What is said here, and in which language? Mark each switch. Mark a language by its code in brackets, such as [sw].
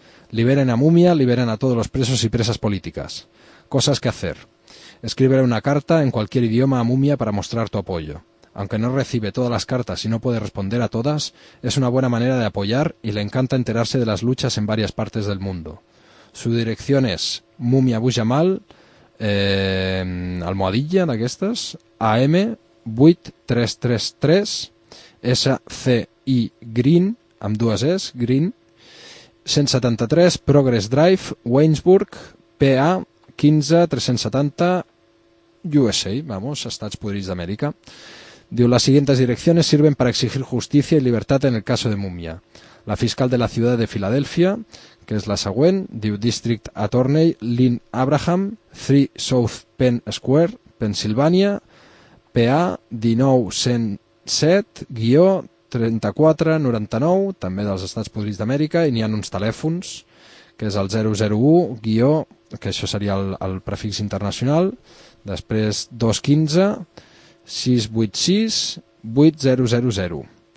[es] Liberen a Mumia, liberen a todos los presos y presas políticas. Cosas que hacer. Escríbele una carta en cualquier idioma a Mumia para mostrar tu apoyo. Aunque no recibe todas las cartas y no puede responder a todas, es una buena manera de apoyar y le encanta enterarse de las luchas en varias partes del mundo. Su dirección es Mumia Abu Jamal, almohadilla de aquestes, AM 8333 SCI Green, [ca] amb dues es, [es] Green 173 Progress Drive, Waynesburg, PA 15370 USA, vamos, [ca] Estats Podrits d'Amèrica. [es] Diu, las siguientes direcciones sirven para exigir justicia y libertad en el caso de Mumia. La fiscal de la ciudad de Filadelfia, que es [ca] la següent, diu, [es] District Attorney Lynn Abraham, 3 South Penn Square, Pennsylvania, [ca] PA 1907-3499, també dels Estats Podrits d'Amèrica, i n'hi ha uns telèfons, que és el 001- que això seria el prefix internacional, després 215-686-8000,